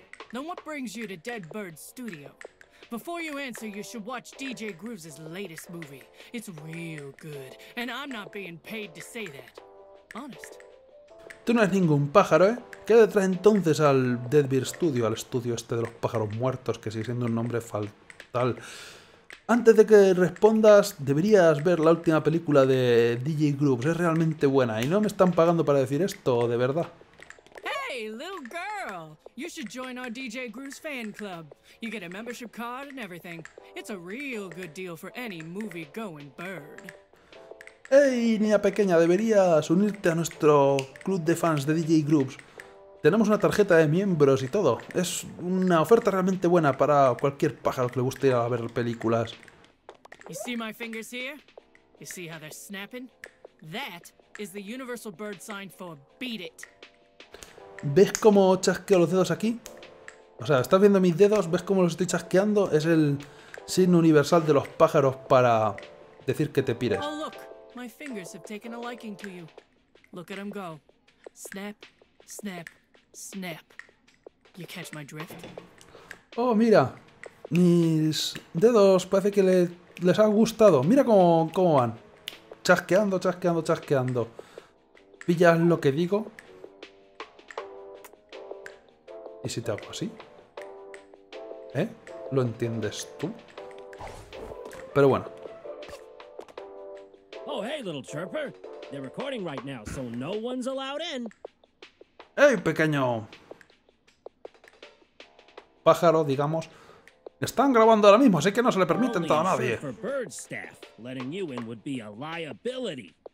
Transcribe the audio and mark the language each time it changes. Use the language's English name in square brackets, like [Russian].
[English] Then what brings you to Dead Bird Studio? Before you answer, you should watch DJ Grooves' latest movie. It's real good, and I'm not being paid to say that. Honest. [Spanish] Tú no eres ningún pájaro, ¿eh? ¿Qué le trae entonces al Deadbeard Studio, al estudio este de los pájaros muertos, que sigue siendo un nombre fatal? Antes de que respondas, deberías ver la última película de DJ Grooves. Es realmente buena, y no me están pagando para decir esto, de verdad. [English] Hey, little girl, you should join our DJ Grooves fan club. You get a membership card and everything. It's a real good deal for any movie-going bird. [Spanish] Hey, niña pequeña, deberías unirte a nuestro club de fans de DJ Grooves. Tenemos una tarjeta de miembros y todo. Es una oferta realmente buena para cualquier pájaro que le guste ir a ver películas. [English] You see my fingers here? You see how they're snapping? That is the universal bird sign for beat it. [Spanish] ¿Ves cómo chasqueo los dedos aquí? O sea, ¿estás viendo mis dedos? ¿Ves cómo los estoy chasqueando? Es el signo universal de los pájaros para decir que te pires. [English] Oh, look, my fingers have taken a liking to you. Look at them go. Snap, snap, snap. You catch my drift? [Spanish] Oh, mira. Mis dedos parece que les ha gustado. Mira cómo van. Chasqueando, chasqueando, chasqueando. ¿Pillas lo que digo? ¿Y si te hago así? ¿Eh? ¿Lo entiendes tú? Pero bueno. [English] Oh, hey, little chirper. They're recording right now, so no one's allowed in. [Spanish] ¡Ey, pequeño! Pájaro, digamos. Están grabando ahora mismo, así que no se le permite entrar a nadie. [English] For bird staff, letting you in would be a liability.